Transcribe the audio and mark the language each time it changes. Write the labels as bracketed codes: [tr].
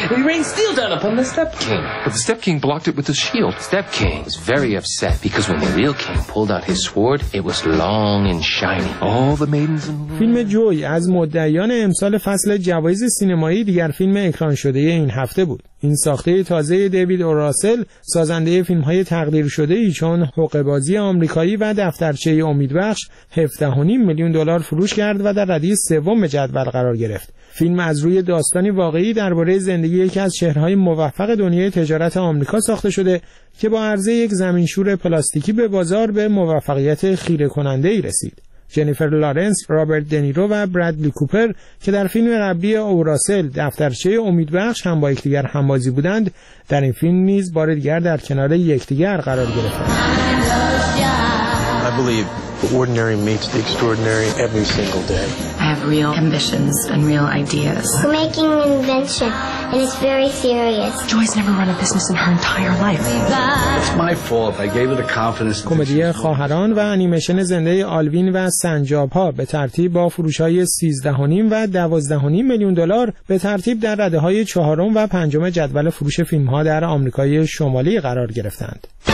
[en] We rained steel down upon the Step King. But the Step King blocked it with his shield. Step King was very upset because when the real king pulled out his sword, it was long and shiny. All the maidens in the room. [fa] فیلم جوی از مدعیان امسال فصل جوایز سینمایی دیگر فیلم اکران شده این هفته بود. این ساخته تازه دیوید اوراسل، سازنده فیلم‌های تقدیر شده ای چون حقه‌بازی آمریکایی و دفترچه امیدبخش، 17.5 میلیون دلار فروش کرد و در رده سوم جدول قرار گرفت. فیلم از روی داستانی واقعی درباره زندگی یکی از چهره‌های موفق دنیای تجارت آمریکا ساخته شده که با عرضه یک زمینشور پلاستیکی به بازار به موفقیت خیره‌کننده‌ای رسید. جنیفر لارنس، رابرت دنیرو و برادلی کوپر که در فیلم قبلی اوراسل دفترچه امیدبخش هم با یکدیگر همبازی بودند، در این فیلم نیز بار دیگر در کنار یکدیگر قرار گرفتند. [en] I believe the ordinary meets the extraordinary every single day. I have real ambitions and real ideas. We're making an invention, and it's very serious. Joy's never run a business in her entire life. It's my fault. I gave her the confidence. [fa] کمدی خواهران و انیمیشن زنده آلوین و سنجاب ها به ترتیب با فروش های 13.5 و 12.5 میلیون دلار به ترتیب در رده های 4 و 5 جدول فروش فیلم ها در آمریکای شمالی قرار گرفتند.